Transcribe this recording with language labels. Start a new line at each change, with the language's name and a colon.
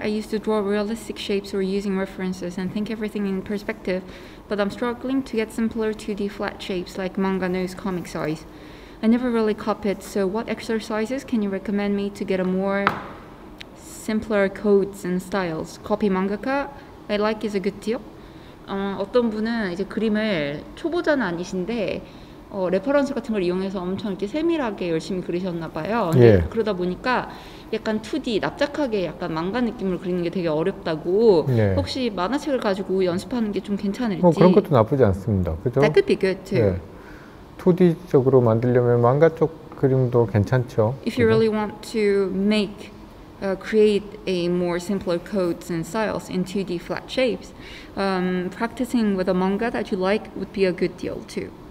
English: I used to draw realistic shapes or using references and think everything in perspective, but I'm struggling to get simpler 2D flat shapes like manga nose comic size. I never really copied, so what exercises can you recommend me to get a more simpler codes and styles? Copy mangaka? I like is a good deal.
Korean: 어떤 분은 이제 그림을 초보자는 아니신데 레퍼런스 같은 걸 이용해서 엄청 이렇게 세밀하게 열심히 그리셨나 봐요. 예. 그러다 보니까 약간 2D 납작하게 약간 망가 느낌으로 그리는 게 되게 어렵다고. 네. 혹시 만화책을 가지고 연습하는 게 좀 괜찮을지. 뭐 그런 것도 나쁘지 않습니다. 그죠?
English: That could be good too. 네.
Korean: 2D 쪽으로 만들려면 망가 쪽 그림도 괜찮죠.
English: If you really want to make create a more simpler codes and styles in 2D flat shapes, practicing with a manga that you like would be a good deal too.